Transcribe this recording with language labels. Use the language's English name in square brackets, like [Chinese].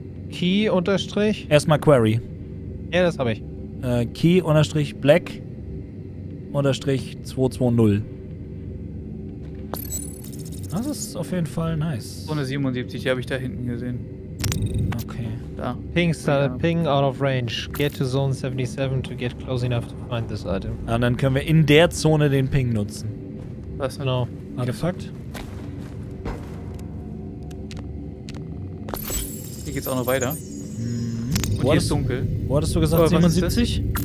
[German] Key unterstrich. Erstmal Query. Ja, das habe ich. Key unterstrich Black unterstrich 220. Das ist auf jeden Fall nice. Zone 77, die habe ich da hinten gesehen. Okay. Da. [English] Ping, start, ping out of range. Get to zone 77 to get close enough to find this item. [German] Ah, dann können wir in der Zone den Ping nutzen. Was? Genau. Artefakt. Hier geht's auch noch weiter. Und hier ist dunkel. Wo hattest du gesagt, 77?